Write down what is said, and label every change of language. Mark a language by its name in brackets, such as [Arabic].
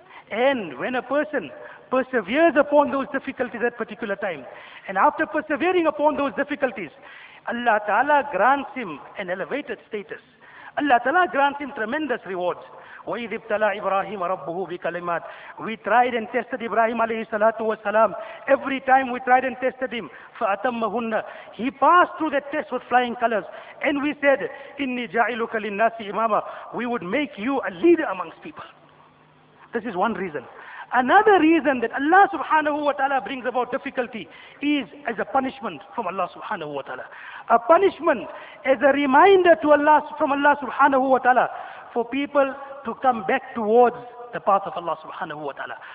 [English] And when a person perseveres upon those difficulties at particular time, and after persevering upon those difficulties, Allah Ta'ala grants him an elevated status. Allah Ta'ala grants him tremendous rewards. [Arabic] وَإِذْ ابْتَلَى إِبْرَاهِيمَ رَبُّهُ بِكَلِمَاتٍ. [English] We tried and tested Ibrahim alayhi salatu wasalam. Every time we tried and tested him, [Arabic] فَأَتَمَّهُنَّ. [English] He passed through that test with flying colors. And we said, [Arabic] إِنِّي جَعِلُكَ لِلنَّاسِ إِمَامًا. [English] We would make you a leader amongst people. This is one reason. Another reason that Allah subhanahu wa ta'ala brings about difficulty is as a punishment from Allah subhanahu wa ta'ala. A punishment as a reminder to Allah, from Allah subhanahu wa ta'ala, for people to come back towards the path of Allah subhanahu wa ta'ala.